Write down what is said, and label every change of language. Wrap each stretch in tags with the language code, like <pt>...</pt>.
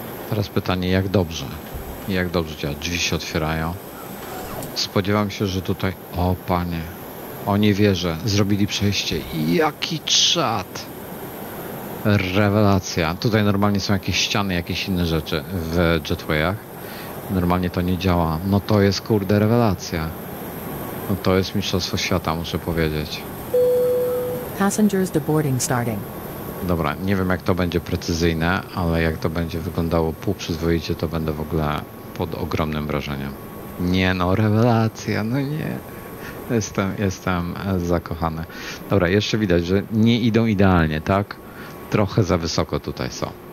<pl>Teraz pytanie, jak dobrze działa, drzwi się otwierają, spodziewam się, że tutaj, o panie, o nie wierzę, zrobili przejście, jaki czad, rewelacja, tutaj normalnie są jakieś ściany, jakieś inne rzeczy w jetwayach, normalnie to nie działa, no to jest kurde rewelacja, no to jest mistrzostwo świata, muszę powiedzieć.</pl> <en>Passengers deboarding starting.</en> <pl>Dobra, nie wiem jak to będzie precyzyjne, ale jak to będzie wyglądało półprzyzwoicie, to będę w ogóle pod ogromnym wrażeniem. Nie no, rewelacja, no nie. Jestem zakochany. Dobra, jeszcze widać, że nie idą idealnie, tak? Trochę za wysoko tutaj są.</pl>